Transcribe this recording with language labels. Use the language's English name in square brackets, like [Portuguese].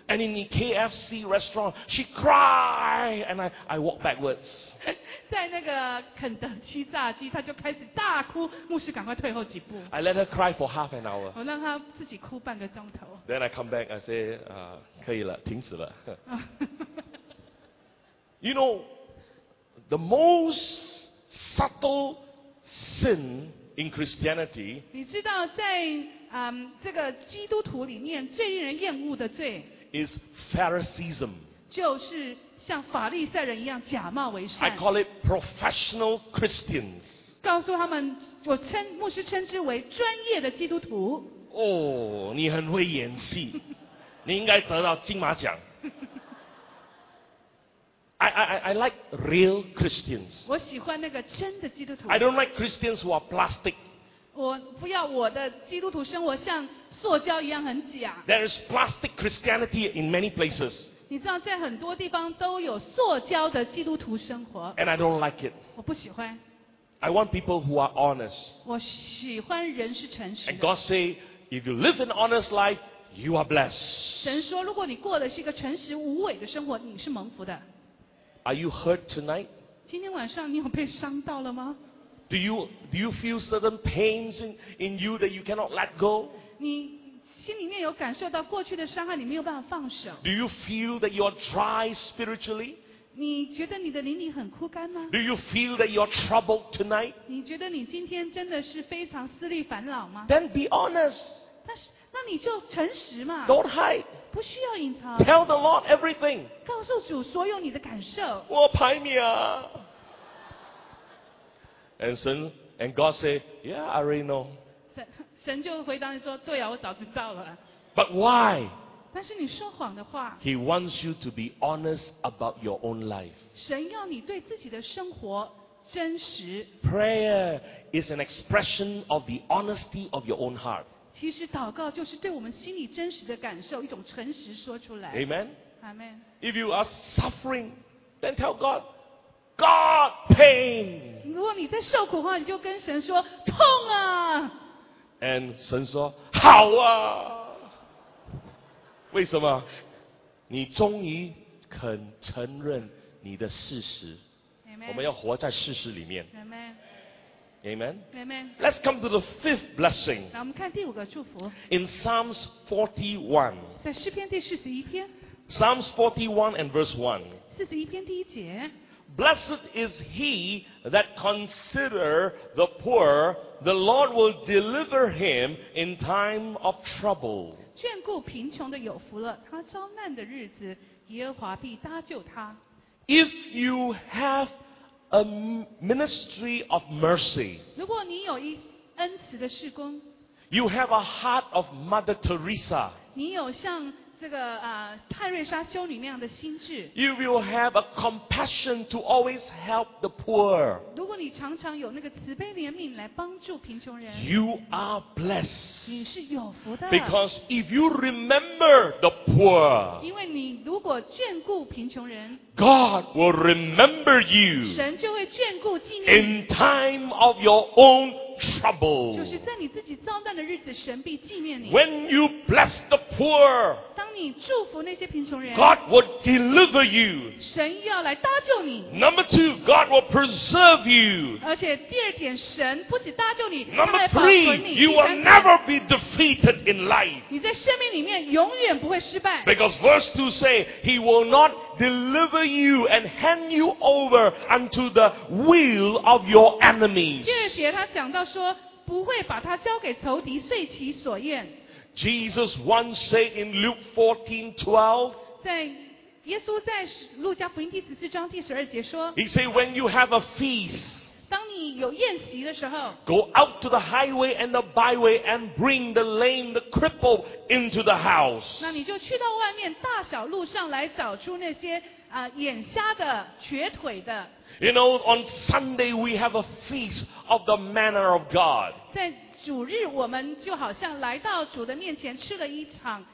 [English] And in the KFC restaurant, she cry. And I walk backwards. [Chinese] 在那个肯德基炸鸡，她就开始大哭。牧师赶快退后几步。 [English] I let her cry for half an hour. [Chinese] 我让她自己哭半个钟头。 [English] Then I come back, I say, [Chinese] 可以了，停止了。 [English] You know, the most subtle sin in Christianity. [Chinese] 你知道在这个基督徒里面最令人厌恶的罪 [English] is Phariseeism. [Chinese] 就是像法利赛人一样假冒为善。 [English] I call it professional Christians. [Chinese] 告诉他们，我称牧师称之为专业的基督徒。哦，你很会演戏。你应该得到金马奖。 [English] I like real Christians. [Chinese] 我喜欢那个真的基督徒。 [English] I don't like Christians who are plastic. [Chinese] 我不要我的基督徒生活像塑胶一样很假。 [English] There is plastic Christianity in many places. [Chinese] 你知道在很多地方都有塑胶的基督徒生活。 [English] And I don't like it. [Chinese] 我不喜欢。 [English] I want people who are honest. [Chinese] 我喜欢人是诚实的。 [English] And God say, if you live an honest life,You are blessed. [Chinese] 神说，如果你过的是一个诚实无伪的生活，你是蒙福的。 [English] Are you hurt tonight? [Chinese] 今天晚上你有被伤到了吗 [English] ？Do you feel certain pains in you that you cannot let go? [Chinese] 你心里面有感受到过去的伤害，你没有办法放手。 [English] Do you feel that you are dry spiritually? [Chinese] 你觉得你的灵里很枯干吗 [English] ？Do you feel that you are troubled tonight? [Chinese] 你觉得你今天真的是非常思虑烦恼吗 [English] ？Then be honest. [Chinese] 但是。那你就诚实嘛 [English] ，Don't hide， [Chinese] 不需要隐藏。 [English] Tell the Lord everything， [Chinese] 告诉主所有你的感受。我排你啊 [English] ，And God say， Yeah， I already know。 [Chinese] 神就回答你说，对啊，我早知道了。 [English] But why？ [Chinese] 但是你说谎的话。 [English] He wants you to be honest about your own life。 [Chinese] 神要你对自己的生活真实。 [English] Prayer is an expression of the honesty of your own heart。 [Chinese] 其实祷告就是对我们心里真实的感受一种诚实说出来。 [English] Amen. Amen. If you are suffering, then tell God, God pain. [Chinese] 如果你在受苦的话，你就跟神说痛啊。 And 神说好啊。为什么？你终于肯承认你的事实。 [English] Amen. [Chinese] 我们要活在事实里面。 [English] Amen. Amen. Amen. Let's come to the fifth blessing. [Chinese] 那我们看第五个祝福。 [English] In Psalms 41. [Chinese] 在诗篇第四十一篇。 [English] Psalms 41 and verse 1. [Chinese] 四十一篇第一节。 [English] Blessed is he that consider the poor, the Lord will deliver him in time of trouble. [Chinese] 眷顾贫穷的有福了，他遭难的日子，耶和华必搭救他。 [English] If you have a ministry of mercy, [Chinese] 如果你有一恩慈的事工， [English] you have a heart of Mother Teresa, [Chinese] 你有像这个泰瑞莎修女那样的心智， [English] you will have a compassion to always help the poor, [Chinese] 如果你常常有那个慈悲怜悯来帮助贫穷人， [English] you are blessed, [Chinese] 你是有福的。 [English] Because if you remember the poor, [Chinese] 因为你如果眷顾贫穷人， [English] God will remember you, [Chinese] 神就会眷顾纪念， [English] in time of your own trouble, [Chinese] 就是在你自己遭难的日子，神必纪念你。 [English] When you bless the poor, [Chinese] 你祝福那些贫穷人， [English] God will deliver you. [Chinese] 神要来搭救你。 [English] Number two, God will preserve you. [Chinese] 而且第二点，神不止搭救你， [English] Number three, you will never be defeated in life. [Chinese] 你在生命里面永远不会失败。 [English] Because verse two say, He will not deliver you and hand you over unto the will of your enemies. [Chinese] 第二节他讲到说，不会把他交给仇敌遂其所愿。 [English] Jesus once said in Luke 14:12. [Chinese] 在耶稣在路加福音第十四章第十二节说， [English] He said, "When you have a feast, [Chinese] 当你有宴席的时候， [English] go out to the highway and the byway and bring the lame, the crippled into the house." [Chinese] 那你就去到外面大小路上来找出那些眼瞎的、瘸腿的。 [English] You know, on Sunday we have a feast of the manner of God. [Chinese] 在主日我们就好像来到主的面前吃了一场。